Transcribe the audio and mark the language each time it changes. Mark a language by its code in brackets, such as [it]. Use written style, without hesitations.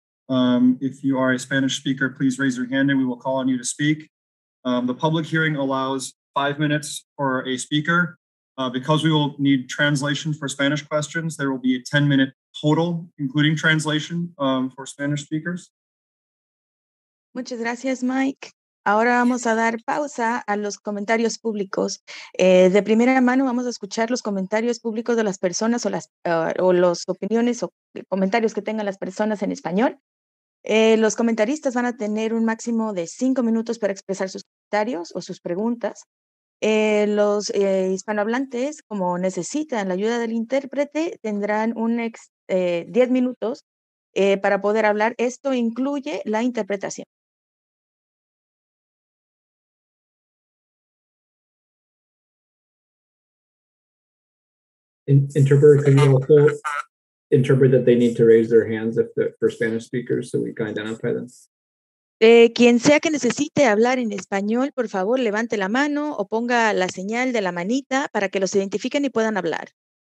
[en] If you are a Spanish speaker, please raise your hand and we will call on you to speak. The public hearing allows 5 minutes for a speaker. Because we will need translation for Spanish questions, there will be a 10-minute total, including translation for Spanish speakers. [es] Muchas gracias, Mike. Ahora vamos a dar pausa a los comentarios públicos. De primera mano vamos a escuchar los comentarios públicos de las personas o las opiniones o comentarios que tengan las personas en español. Los comentaristas van a tener un máximo de 5 minutos para expresar sus comentarios o sus preguntas. Los hispanohablantes, como necesitan la ayuda del intérprete, tendrán 10 minutos para poder hablar. Esto incluye la interpretación. [en] Interpreter, can you also interpret that they need to raise their hands if they're for Spanish speakers so we can identify them? [es] Quien sea que necesite hablar en español, por favor, levante la mano o ponga la señal de la manita para que los identifiquen y puedan hablar.